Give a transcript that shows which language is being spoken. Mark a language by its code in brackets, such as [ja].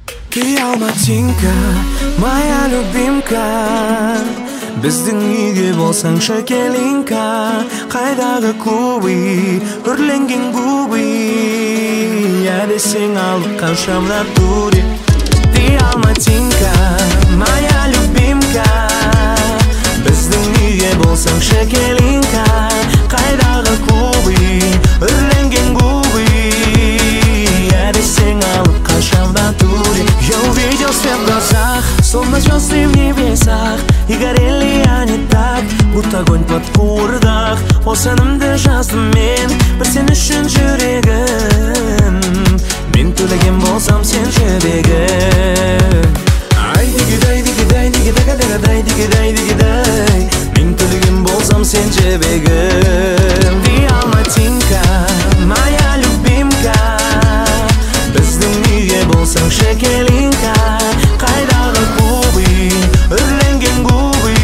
[ru] Ты алматинка, моя любимка. [kk] Біздің үйге болсаңшы келинка. Қайдағы кубы, үрленген губы. Я десең алып қаншамда дури. [ru] Ты алматинка, моя любимка. [kk] Біздің үйге болсаңшы келинка. Қайдағы кубы, үрленген губы. Я десең алып қаншамда дури. [ru] Я увидел все в глазах, словно звезды в небесах. И горели они так, будто огонь под курдах. [kk] Ол сенімді жаздым мен, бір сен үшін жүрегім. Мен төлеген болсам сен жібегім. Ай диги дай диги дай диги дага дага дай диги дай диги дай. Мен төлеген болсам сен жібегім. [ru] Ты алматинка, моя любимка. [kk] Біздің үйге болсаң шекелинка. Қайдағы кубы, үрленген губы.